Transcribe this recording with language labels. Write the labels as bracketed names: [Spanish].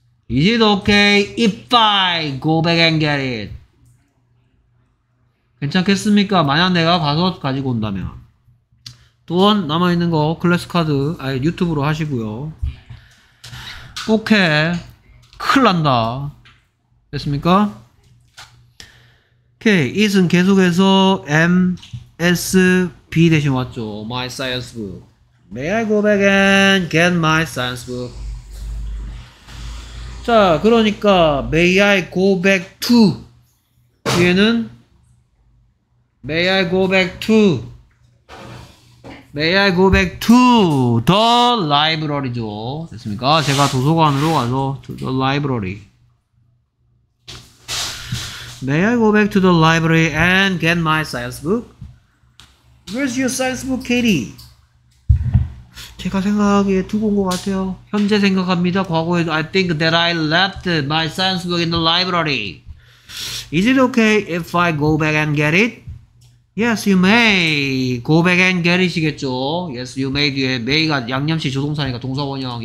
[English] Is it okay if I go back and get it? [Korean] 괜찮겠습니까? 만약 내가 가서 가지고 온다면. 돈 남아있는 거 클래스 카드 아니 유튜브로 하시고요. 오케이. 큰일 난다. 됐습니까? 오케이. It은 계속해서 M, S, B 대신 왔죠. [English] My science book. May I go back and get my science book? [Korean] 자 그러니까 [English] May I go back to [Korean] 뒤에는 [English] May I go back to? May I go back to the library죠. 됐습니까? [Korean] 제가 도서관으로 가서 [English] to the library. May I go back to the library and get my science book? Where's your science book, Katie? [Korean] 제가 생각하기에 두고 온 것 같아요. 현재 생각합니다. 과거에 [English] I think that I left my science book in the library. Is it okay if I go back and get it? Yes, you may. Go back and get it이겠죠. Yes, you may. [Korean] 뒤에 may가 양념시 조동사니까 동사원형.